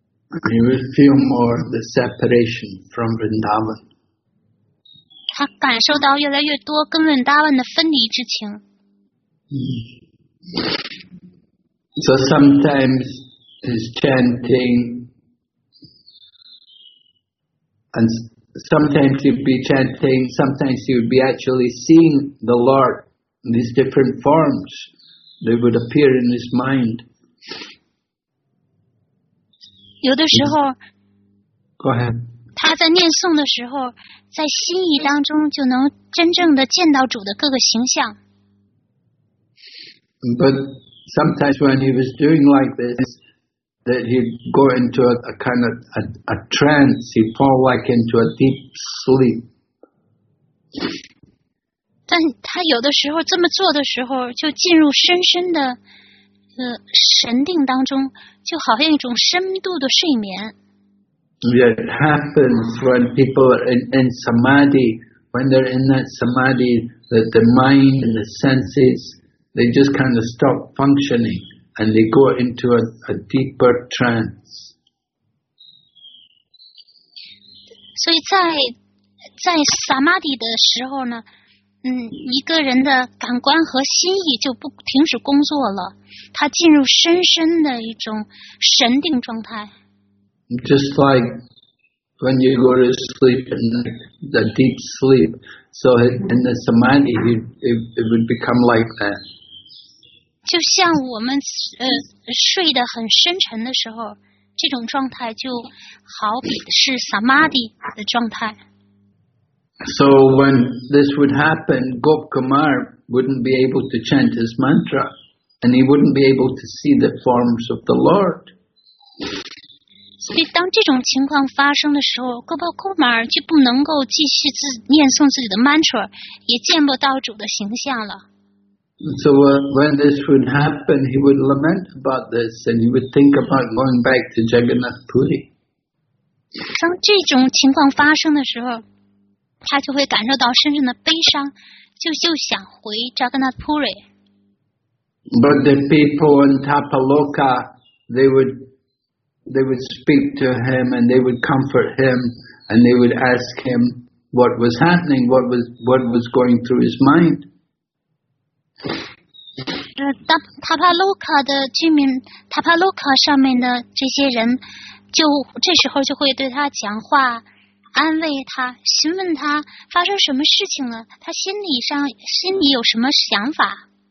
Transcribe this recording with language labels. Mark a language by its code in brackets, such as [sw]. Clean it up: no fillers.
[en] He would feel more the separation from Vrindavan. [zh] 他感受到越来越多跟文达文的分离之情。 [en] So sometimes his chanting, and sometimes he'd be chanting, sometimes he would be actually seeing the Lord in these different forms that would appear in his mind. [zh] 有的时候 [en] Go ahead. [zh] 他在念诵的时候，在心意当中就能真正的见到主的各个形象。 [en] But sometimes when he was doing like this, that he'd go into a kind of a trance, he'd fall like into a deep sleep. [zh] 但他有的时候这么做的时候，就进入深深的神定当中，就好像一种深度的睡眠。 [en] Yeah, it happens when people are in samadhi, when they're in that samadhi, that the mind and the senses, they just kind of stop functioning and they go into a deeper trance. [zh] 所以在 samadhi 的时候呢，一个人的感官和心意就不停止工作了，他进入深深的一种神定状态。 [en] Just like when you go to sleep in the deep sleep, so in the samadhi, it would become like that. [zh] 就像我们睡得很深沉的时候，这种状态就好比是 samadhi 的状态。 [en] So when this would happen, Gop Kumar wouldn't be able to chant his mantra, and he wouldn't be able to see the forms of the Lord. [zh] 所以当这种情况发生的时候，戈帕库马尔就不能够继续念诵自己的 mantra， 也见不到主的形象了。 [en] So when this would happen, he would lament about this, and he would think about going back to Jagannath Puri. [zh] 当这种情况发生的时候，他就会感受到深深的悲伤，就想回 Jagannath Puri. [en] But the people in Tapaloka, they would speak to him and they would comfort him and they would ask him what was happening, what was going through his mind. [zh] 塔帕洛卡的居民，塔帕洛卡上面的这些人就这时候就会对他讲话，安慰他，询问他发生什么事情了，他心里有什么想法。